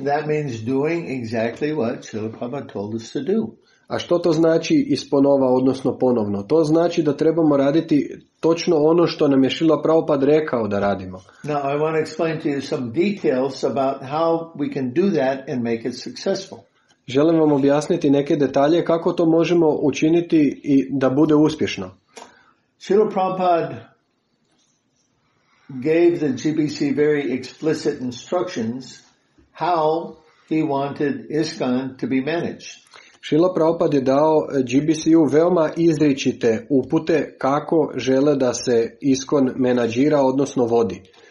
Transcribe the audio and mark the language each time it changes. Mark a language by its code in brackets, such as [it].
[en] That means doing exactly what Srila Prabhupada told us to do. [hr] A što to znači isponova, odnosno ponovno? To znači da trebamo raditi točno ono što nam je Srila Prabhupada rekao da radimo. [en] Now I want to explain to you some details about how we can do that and make it successful. [hr] Želim vam objasniti neke detalje kako to možemo učiniti i da bude uspješno. [en] Srila Prabhupada gave the GBC very explicit instructions how he wanted ISKCON to be managed. [hr] Srila Prabhupada je dao GBC-u veoma izričite upute kako žele da se ISKCON menadžira, odnosno vodi.